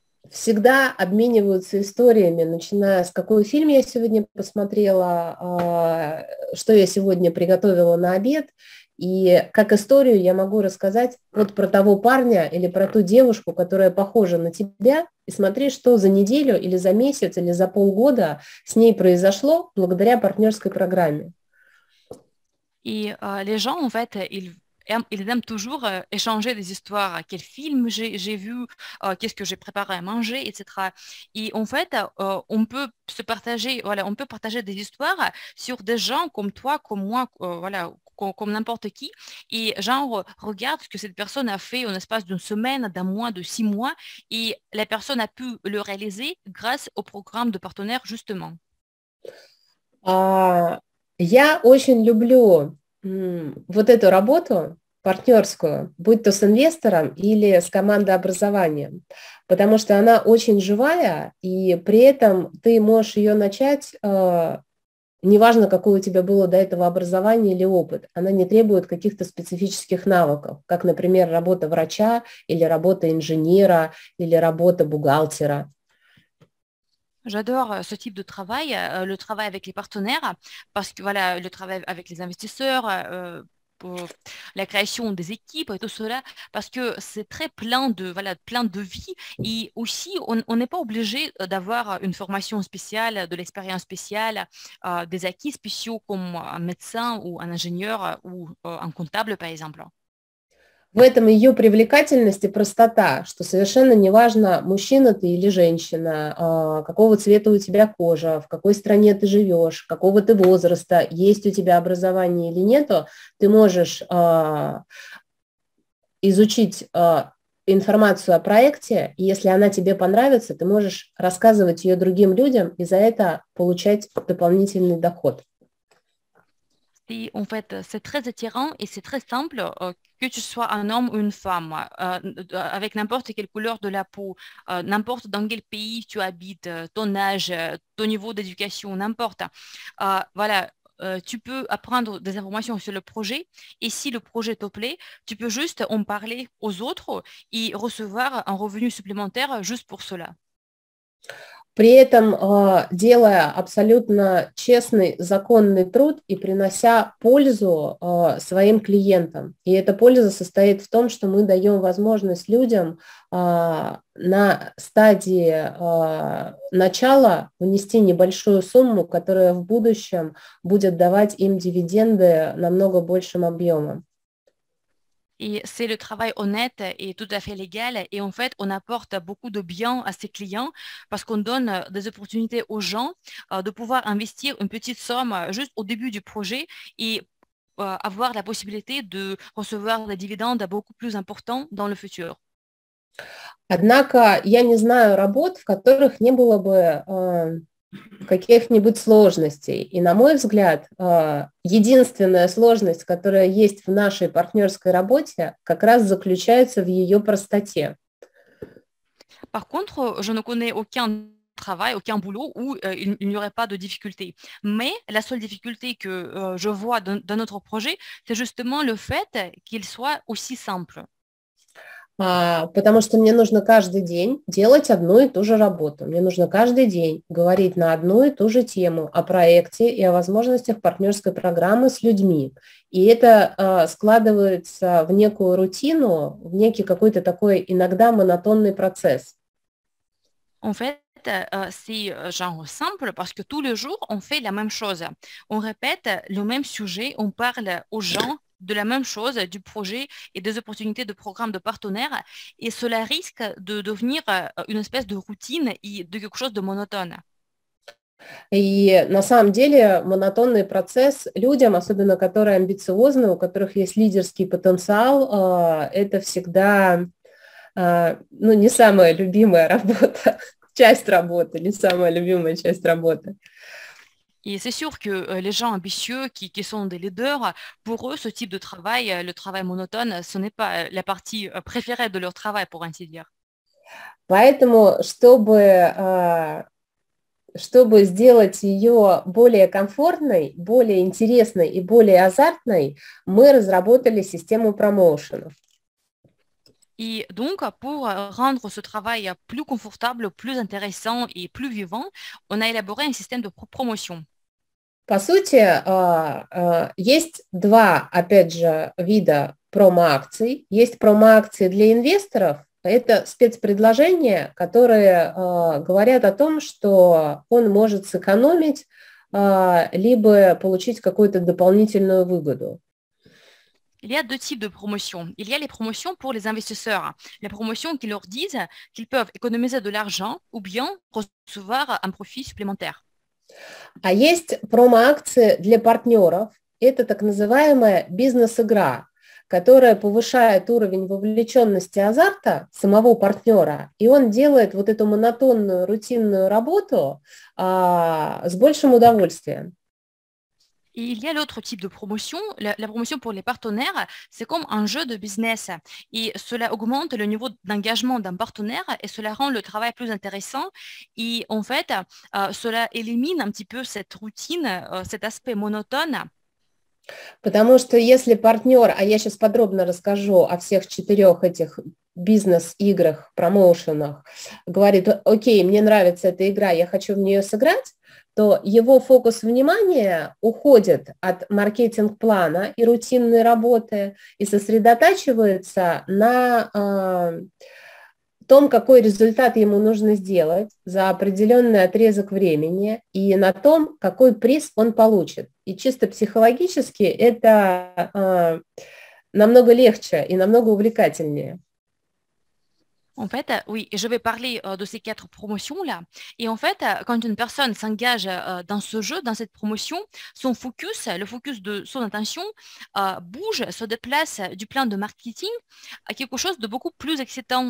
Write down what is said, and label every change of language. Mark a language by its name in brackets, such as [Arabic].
[Russian] Всегда обмениваются историями, начиная с какой фильм я сегодня посмотрела, что я сегодня приготовила на обед, и как историю я могу рассказать вот про того парня или про ту девушку, которая похожа на тебя, и смотри, что за неделю или за месяц или за полгода с ней произошло благодаря партнерской программе. И лежал в этой... [French] Ils aiment toujours échanger des histoires, quel film j'ai vu, qu'est-ce que j'ai préparé à manger, etc. Et en fait, on peut se partager, voilà, on peut partager des histoires sur des gens comme toi, comme moi, voilà, comme n'importe qui. Et genre, regarde ce que cette personne a fait en l'espace d'une semaine, d'un mois, de six mois, et la personne a pu le réaliser grâce au programme de partenaires, justement. [Russian] Я очень люблю... вот эту работу партнерскую, будь то с инвестором или с командообразованием, потому что она очень живая, и при этом ты можешь ее начать, неважно, какое у тебя было до этого образование или опыт, она не требует каких-то специфических навыков, как, например, работа врача или работа инженера или работа бухгалтера. [French] J'adore ce type de travail, le travail avec les partenaires, parce que voilà, le travail avec les investisseurs, pour la création des équipes et tout cela, parce que c'est très plein de, voilà, plein de vie. Et aussi, on n'est pas obligé d'avoir une formation spéciale, de l'expérience spéciale, des acquis spéciaux comme un médecin ou un ingénieur ou un comptable, par exemple. [Russian] В этом ее привлекательность и простота, что совершенно неважно, мужчина ты или женщина, какого цвета у тебя кожа, в какой стране ты живешь, какого ты возраста, есть у тебя образование или нету, ты можешь изучить информацию о проекте, и если она тебе понравится, ты можешь рассказывать ее другим людям и за это получать дополнительный доход. [French] Et en fait, c'est très attirant et c'est très simple, que tu sois un homme ou une femme, avec n'importe quelle couleur de la peau, n'importe dans quel pays tu habites, ton âge, ton niveau d'éducation, n'importe. Voilà, tu peux apprendre des informations sur le projet et si le projet te plaît, tu peux juste en parler aux autres et recevoir un revenu supplémentaire juste pour cela. [Russian] При этом делая абсолютно честный, законный труд и принося пользу своим клиентам. И эта польза состоит в том, что мы даем возможность людям на стадии начала внести небольшую сумму, которая в будущем будет давать им дивиденды намного большим объемом. [French] Et c'est le travail honnête et tout à fait légal. Et en fait, on apporte beaucoup de bien à ses clients parce qu'on donne des opportunités aux gens de pouvoir investir une petite somme juste au début du projet et avoir la possibilité de recevoir des dividendes beaucoup plus importants dans le futur. [Russian] Однако, я не знаю работ, в которых не было бы каких-нибудь сложностей. И на мой взгляд, единственная сложность, которая есть в нашей партнерской работе, как раз заключается в ее простоте. [French] Par contre, je ne connais aucun travail, aucun boulot où il n'y aurait pas de difficultés. Mais la seule difficulté que je vois dans notre projet, c'est justement le fait qu'il soit aussi simple. [Russian] Потому что мне нужно каждый день делать одну и ту же работу. Мне нужно каждый день говорить на одну и ту же тему о проекте и о возможностях партнерской программы с людьми. И это складывается в некую рутину, в некий какой-то такой иногда монотонный процесс. [French] En fait, c'est genre simple parce que tous les jours, on fait la même chose. On répète le même sujet, on parle aux gens de la même chose, du projet et des opportunités de programme de partenaires, et cela risque de devenir une espèce de routine et de quelque chose de monotone. [Russian] И на самом деле монотонный процесс людям, особенно которые амбициозны, у которых есть лидерский потенциал, это всегда, ну, не самая любимая работа, часть работы, не самая любимая часть работы. [French] Et c'est sûr que les gens ambitieux qui sont des leaders, pour eux, ce type de travail, le travail monotone, ce n'est pas la partie préférée de leur travail, pour ainsi dire. [Russian] Поэтому, чтобы сделать ее более комфортной, более интересной и более азартной, мы разработали систему промоушенов. [French] Et donc, pour rendre ce travail plus confortable, plus intéressant et plus vivant, on a élaboré un système de promotion. [Russian] По сути, есть два, опять же, вида промо-акций. Есть промо-акции для инвесторов. Это спецпредложения, которые говорят о том, что он может сэкономить, либо получить какую-то дополнительную выгоду. [French] Il y a deux types de promotions. Il y a les promotions pour les investisseurs, les promotions qui leur disent qu'ils peuvent économiser de l'argent ou bien recevoir un profit supplémentaire. [Russian] А есть промо-акции для партнеров. Это так называемая бизнес-игра, которая повышает уровень вовлеченности азарта самого партнера, и он делает вот эту монотонную, рутинную работу с большим удовольствием. [French] Et il y a l'autre type de promotion, la promotion pour les partenaires, c'est comme un jeu de business. Et cela augmente le niveau d'engagement d'un partenaire et cela rend le travail plus intéressant. Et en fait, cela élimine un petit peu cette routine, cet aspect monotone. [Russian] Потому что если партнер, а я сейчас подробно расскажу о всех четырех этих бизнес-играх, промоушенах, говорит, окей, мне нравится эта игра, я хочу в нее сыграть, то его фокус внимания уходит от маркетинг-плана и рутинной работы и сосредотачивается на том, какой результат ему нужно сделать за определенный отрезок времени и на том, какой приз он получит. И чисто психологически это намного легче и намного увлекательнее. [French] En fait, oui, je vais parler de ces quatre promotions-là. Et en fait, quand une personne s'engage dans ce jeu, dans cette promotion, son focus, le focus de son attention bouge, se déplace du plan de marketing à quelque chose de beaucoup plus excitant.